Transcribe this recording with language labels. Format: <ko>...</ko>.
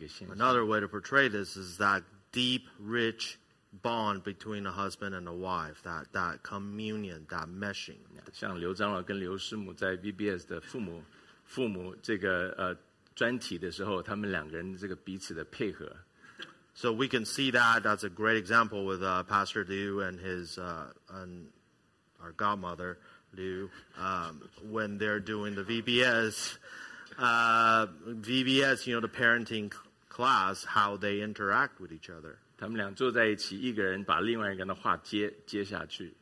<en>Another way to portray this is that deep, rich bond between a husband and a wife, that communion, that meshing.</en> <zh>像刘长老跟刘师母在VBS的父母这个专题的时候，他们两个人这个彼此的配合。</zh> <en>So we can see that as a great example with Pastor Liu and his and our godmother Liu when they're doing the VBS. VBS, you know, the parenting class, how they interact with each other.</en> <zh>他们俩坐在一起，一个人把另外一个人的话接下去。</zh>